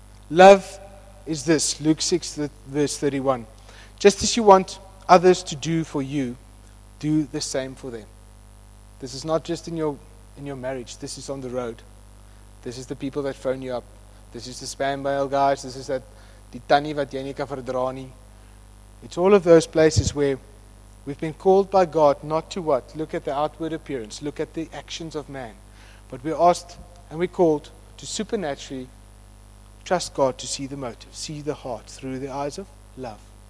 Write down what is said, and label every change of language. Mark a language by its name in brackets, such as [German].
[English] Love is this, Luke 6, verse 31. Just as you want others to do for you, do the same for them. This is not just in your marriage. This is on the road. This is the people that phone you up. This is the spam mail guys. This is that [Afrikaans] die tannie wat jy nie kan verdra nie. [English] It's all of those places where we've been called by God not to what? Look at the outward appearance. Look at the actions of man. But we're asked and we're called to supernaturally trust God to see the motive, see the heart through the eyes of love.